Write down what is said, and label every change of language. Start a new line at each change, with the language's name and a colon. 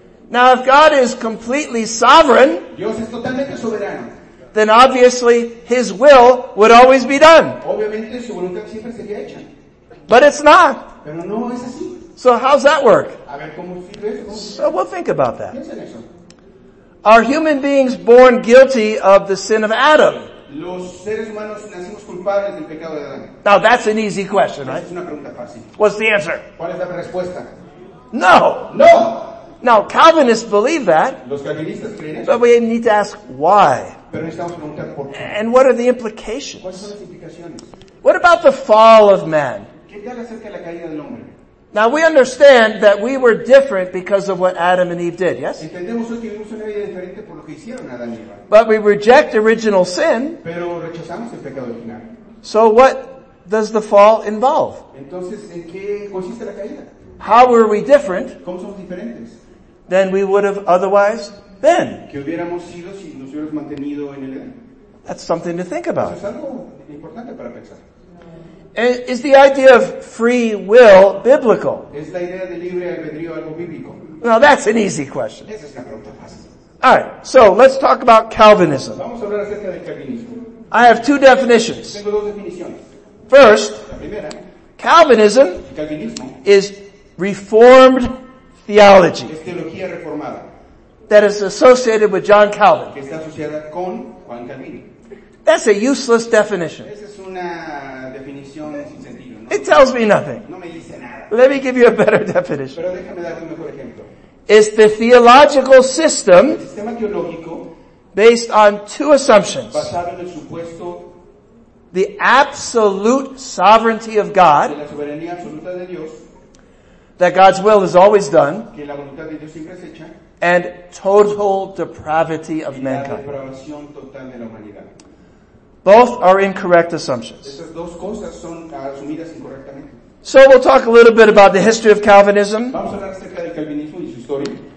English: Now, if God is completely sovereign,
Spanish: Dios es totalmente soberano,
English: then obviously his will would always be done.
Spanish: Obviamente, su voluntad siempre sería hecha.
English: But it's not.
Spanish: Pero no es así.
English: So how's that work?
Spanish: A ver, ¿cómo sirve eso?
English: So we'll think about that.
Spanish: Piensa en eso.
English: Are human beings born guilty of the sin of Adam?
Spanish: Los seres humanos nacimos culpables del pecado de Adán.
English: Now that's an easy question, right?
Spanish: Es una pregunta fácil.
English: What's the answer?
Spanish: ¿Cuál es la respuesta?
English: No.
Spanish: No.
English: Now, Calvinists believe that,
Spanish: los calvinistas creen eso.
English: But we need to ask why.
Spanish: Pero necesitamos preguntar por qué.
English: And what are the implications?
Spanish: ¿Cuáles son las implicaciones?
English: What about the fall of man?
Spanish: ¿Qué tal acerca de la caída del hombre?
English: Now, we understand that we were different because of what Adam and Eve did, yes?
Spanish: Entendemos que vivimos una vida diferente por lo que hicieron Adán y Eva.
English: But we reject original sin.
Spanish: Pero rechazamos el pecado original.
English: So what does the fall involve?
Spanish: Entonces, ¿en qué consiste la caída?
English: How were we different
Spanish: ¿cómo somos diferentes?
English: Than we would have otherwise been?
Spanish: ¿Que hubiéramos sido si nos hubiéramos mantenido en el Edén?
English: That's something to think about.
Spanish: Eso es algo importante para pensar.
English: And is the idea of free will biblical?
Spanish: ¿Es la idea de libre albedrío algo bíblico?
English: Now that's an easy question.
Spanish: Esa es una pregunta fácil.
English: All right, so let's talk about Calvinism.
Spanish: Vamos a hablar acerca del calvinismo.
English: I have two definitions.
Spanish: Tengo dos definiciones.
English: First,
Spanish: la primera,
English: Calvinism
Spanish: el calvinismo
English: is Reformed theology.
Spanish: Es teología reformada.
English: that is associated with John Calvin.
Spanish: Que está asociada con Juan Calvin.
English: That's a useless definition.
Spanish: Esa es una definición sin sentido, ¿no?
English: It tells me nothing.
Spanish: No me dice nada.
English: Let me give you a better definition.
Spanish: Pero déjame darte un mejor ejemplo.
English: It's the theological system,
Spanish: el sistema teológico,
English: based on two assumptions.
Spanish: Basado en el supuesto,
English: the absolute sovereignty of God,
Spanish: de la soberanía absoluta de Dios,
English: that God's will is always done,
Spanish: que la voluntad de Dios siempre es hecha,
English: and total depravity of
Spanish: y la
English: mankind.
Spanish: Depravación total de la humanidad.
English: Both are incorrect assumptions.
Spanish: Esas dos cosas son asumidas incorrectamente.
English: So we'll talk a little bit about the history of Calvinism.
Spanish: Vamos a hablar acerca del calvinismo y su historia.